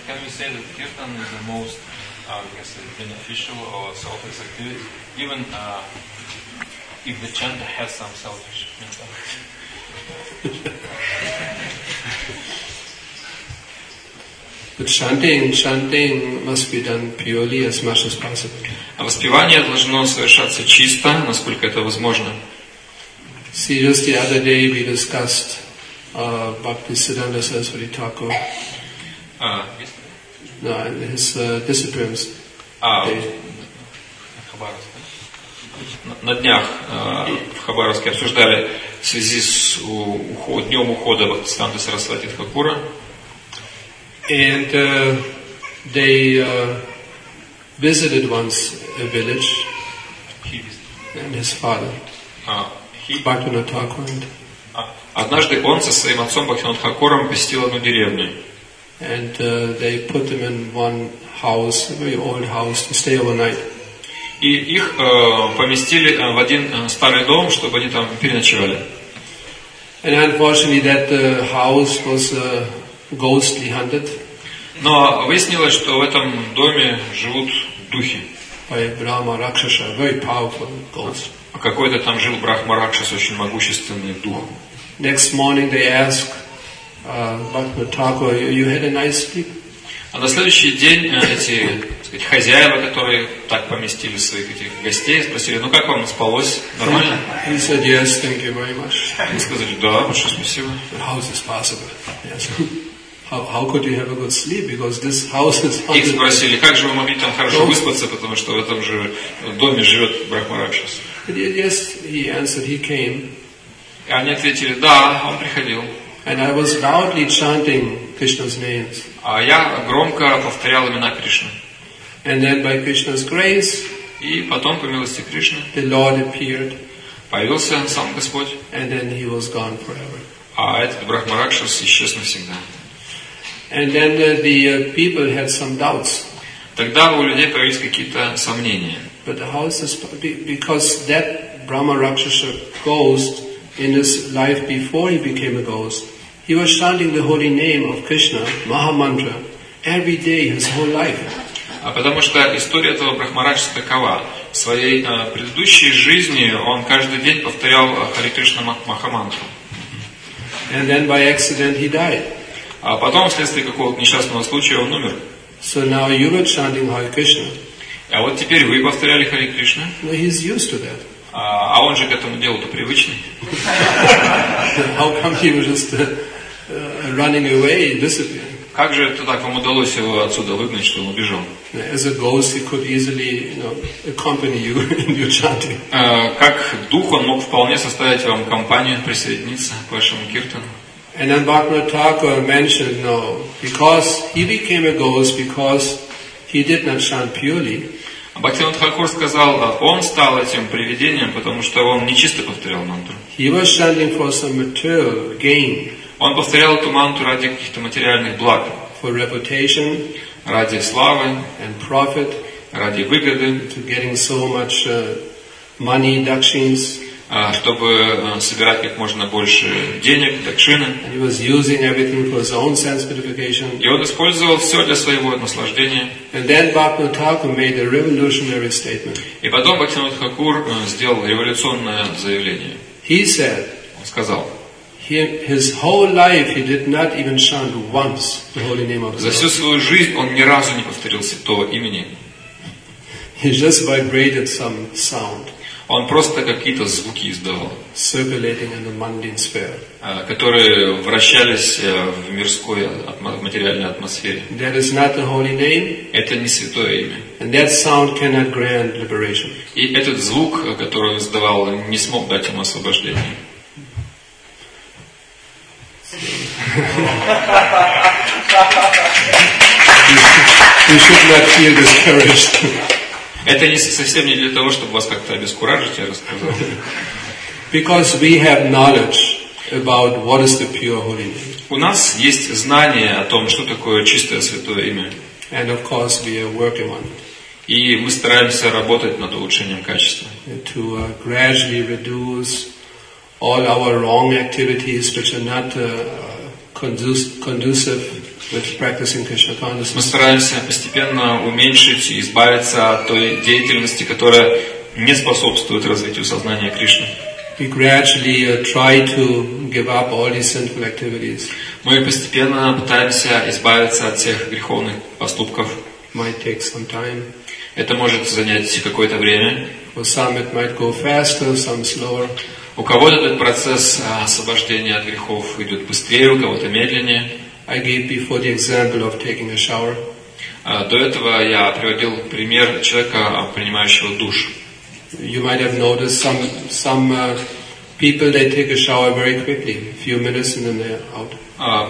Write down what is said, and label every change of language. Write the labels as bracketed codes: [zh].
[en] Can we say that kirtan is the most, beneficial or selfish activity, even if the chanter has some selfish mentality? But chanting must be done purely as much as possible. [ru] А воспевание должно совершаться чисто, насколько это возможно. [en] See, just the other day we discussed. Bhaktisiddhanta Saraswati Thakur. No, his disciplines. [ru] В Хабаровске. На днях в Хабаровске обсуждали в связи с днем ухода Бхактисиддханты Сарасвати Тхакура. [en] And they visited once a village. He visited. And his father. Bhaktisiddhanta Thakur. [ru] Однажды он со своим отцом Бхактисиддханта Тхакуром посетил одну деревню. [en] And they put them in one house, a very old house, to stay overnight. [ru] И их поместили в один старый дом, чтобы они там переночевали. [en] And unfortunately, that house was ghostly haunted. [ru] Но выяснилось, что в этом доме живут духи. [en] By Brahma Rakshasa, very powerful ghost. [ru] А какой-то там жил Брахма Ракшас, очень могущественный дух. [en] Next morning they ask Bhaktisiddhanta Thakur, you had a nice sleep? [ru] А на следующий день эти, сказать, хозяева, которые так поместили своих этих гостей, спросили: ну как вам, спалось нормально? [en] He said yes, thank you very much. [ru] Они сказали: да, большое спасибо. [en] How is this possible? Yes. How could you have a good sleep? Because this house is. [ru] И спросили, как же вы могли там хорошо выспаться, потому что в этом же доме живет Брахмаракшас. [en] Yes, he answered. He came. [ru] И они ответили, да, он приходил. [en] And I was loudly chanting Krishna's names. [ru] А я громко повторял имена Кришны. [en] And then by Krishna's grace. [ru] И потом по милости Кришны. [en] The Lord appeared. [ru] Появился сам Господь. [en] And then he was gone forever. [ru] А этот Брахмаракшас исчез навсегда. [en] And then the people had some doubts. [ru] Тогда у людей появились какие-то сомнения. [en] But how is this? Because that Brahma Rakshasa ghost in his life before he became a ghost, he was chanting the holy name of Krishna, Maha Mantra, every day his whole life. [ru] А потому что история этого Брахмаракшаса такова: в своей предыдущей жизни он каждый день повторял Хари Кришна Маха Мантру. [en] And then by accident he died. [ru] А потом, вследствие какого-то несчастного случая, он умер. [en] So now you were chanting Hare Krishna. [ru] А вот теперь вы повторяли Хари Кришна. [en] Well, he's used to that. [ru] А он же к этому делу-то привычный. [en] How come he was just running away and disappearing? [ru] Как же это так вам удалось его отсюда выгнать, что он убежал? [en] As a ghost, he could easily, you know, accompany you in your chanting. [ru] Как дух он мог вполне составить вам компанию, присоединиться к вашему киртану? [en] And then Bhaktivinoda Thakur mentioned, no, because he became a ghost because he did not chant purely. [ru] Bhaktivinoda Thakur сказал, он стал этим привидением, потому что он нечисто повторял мантру. [en] He was chanting for some material gain. [ru] Он повторял эту мантру ради каких-то материальных благ. [en] For reputation. [ru] Ради славы. [en] And profit. [ru] Ради выгоды. [en] To getting so much money, dakshins. [ru] Чтобы собирать как можно больше денег, дакшины. [en] He was using everything for his own sense gratification. [ru] И он использовал все для своего наслаждения. [en] And then Bhaktivinoda Thakur made a revolutionary statement. [ru] И потом Бхактивинода Тхакур сделал революционное заявление. [en] He said, [ru] он сказал, [en] his whole life he did not even chant once the holy name of the [ru] За всю свою жизнь он ни разу не повторил святого имени. [en] He just vibrated some sound. [ru] Он просто какие-то звуки издавал. [en] Circulating in the mundane sphere. [ru] Которые вращались в мирской, материальной атмосфере. [en] That is not the holy name. [ru] Это не святое имя. [en] And that sound cannot grant liberation. [ru] И этот звук, который он издавал, не смог дать ему освобождение. [en] You should not feel discouraged. [ru] Это не совсем не для того, чтобы вас как-то обескуражить, я рассказал. [en] Because we have knowledge about what is the pure holy name. [ru] У нас есть знание о том, что такое чистое святое имя. [en] And of course we are working on it. [ru] И мы стараемся работать над улучшением качества. [en] To gradually reduce all our wrong activities which are not conducive with practicing Krishna consciousness. [ru] Мы стараемся постепенно уменьшить и избавиться от той деятельности, которая не способствует развитию сознания Кришны. [en] We gradually try to give up all these sinful activities. [ru] Мы постепенно пытаемся избавиться от всех греховных поступков. [en] Might take some time. [ru] Это может занять какое-то время. [en] For some it might go faster, some slower. [ru] У кого-то этот процесс освобождения от грехов идет быстрее, у кого-то медленнее. [en] I gave before the example of taking a shower. [ru] До этого я приводил пример человека, принимающего душ. [en] You might have noticed some people, they take a shower very quickly, a few minutes and then they're out.